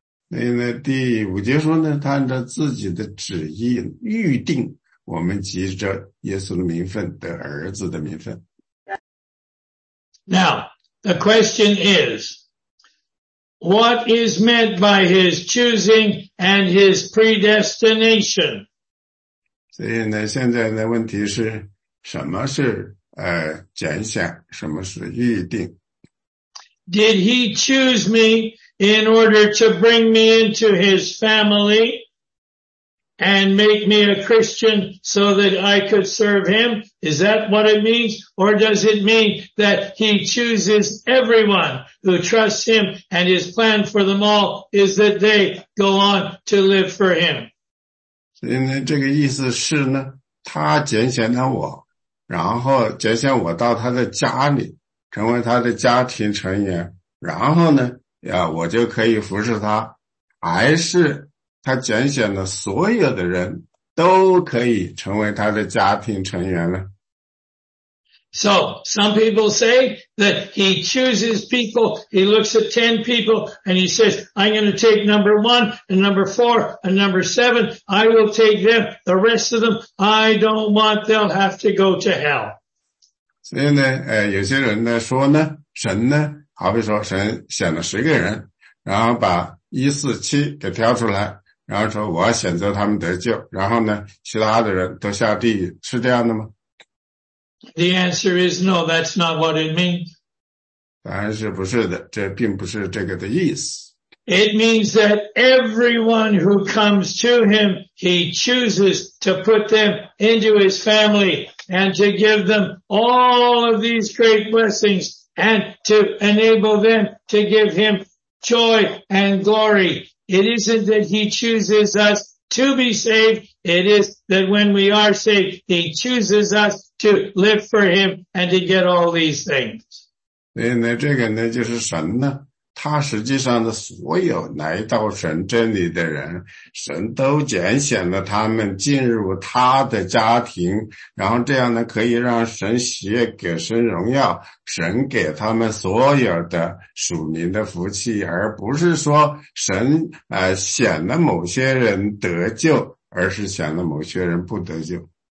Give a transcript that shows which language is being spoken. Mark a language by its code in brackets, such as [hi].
[zh] 所以呢，第五节说呢，他按照自己的旨意预定我们藉着耶稣的名分得儿子的名分。 [en] Now, the question is, what is meant by his choosing and his predestination? [zh] 所以呢，现在的问题是什么是拣选，什么是预定。 [en] Did he choose me in order to bring me into his family and make me a Christian so that I could serve him? Is that what it means? Or does it mean that he chooses everyone who trusts him and his plan for them all is that they go on to live for him? [zh] 所以呢，这个意思是呢，他拣选了我，然后拣选我到他的家里，成为他的家庭成员，然后呢，我就可以服侍他，还是他拣选的所有的人都可以成为他的家庭成员了。 [en] So, some people say that he chooses people, he looks at 10 people, and he says, I'm going to take number 1, and number 4, and number 7, I will take them, the rest of them, I don't want, they'll have to go to hell. [zh] 所以呢，有些人呢说呢，神呢，好比说神选了10个人，然后把147给挑出来，然后说我要选择他们得救，然后呢，其他的人都下地狱，是这样的吗？ [en] The answer is no, that's not what it means. [zh] 答案是不是的，这并不是这个的意思。 [en] It means that everyone who comes to him, he chooses to put them into his family and to give them all of these great blessings and to enable them to give him joy and glory. It isn't that he chooses us to be saved. It is that when we are saved, he chooses us to live for him and to get all these things. [zh] 所以呢，这个呢，就是神呢，他实际上的所有来到神真理的人，神都拣选了他们进入他的家庭，然后这样呢，可以让神喜悦，给神荣耀，神给他们所有的属灵的福气，而不是说神选了某些人得救，而是选了某些人不得救。